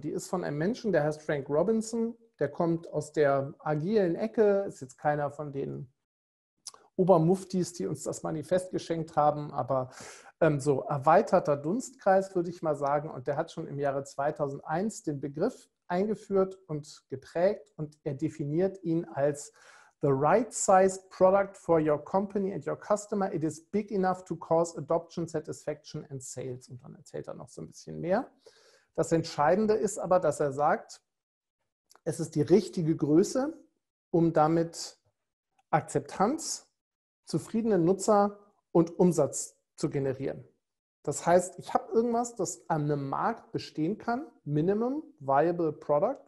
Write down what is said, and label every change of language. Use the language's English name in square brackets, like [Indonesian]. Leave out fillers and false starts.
[German] Die ist von einem Menschen, der heißt Frank Robinson. Der kommt aus der agilen Ecke, ist jetzt keiner von denen, Obermuftis, die uns das Manifest geschenkt haben, aber so erweiterter Dunstkreis, würde ich mal sagen. Und der hat schon im Jahre 2001 den Begriff eingeführt und geprägt und er definiert ihn als [English] the right size product for your company and your customer. It is big enough to cause adoption, satisfaction and sales. [German] Und dann erzählt er noch so ein bisschen mehr. Das Entscheidende ist aber, dass er sagt, es ist die richtige Größe, um damit Akzeptanz, zufriedene Nutzer und Umsatz zu generieren. Das heißt, ich habe irgendwas, das an einem Markt bestehen kann, Minimum Viable Product.